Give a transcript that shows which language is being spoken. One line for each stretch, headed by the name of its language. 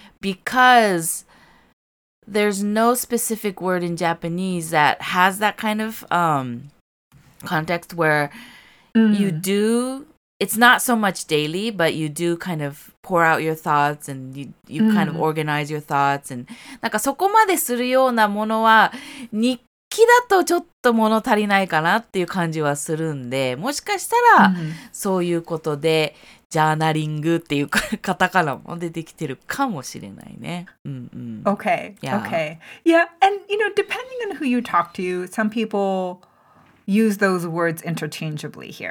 English: Because there's no specific word in Japanese that has that kind of context where you do, it's not so much daily, but you do kind of pour out your thoughts and you kind of organize your thoughts. And
Japanese: なんかそこまでするようなものは日きだとちょっと物足りないかなっていう感じはするんで、もしかしたらそういうことで、うん、ジャーナリングっていうカタカナも出てきてるかもしれないね。うんうん、
English: okay, yeah. okay. Yeah, and you know, depending on who you talk to, some people use those words interchangeably here.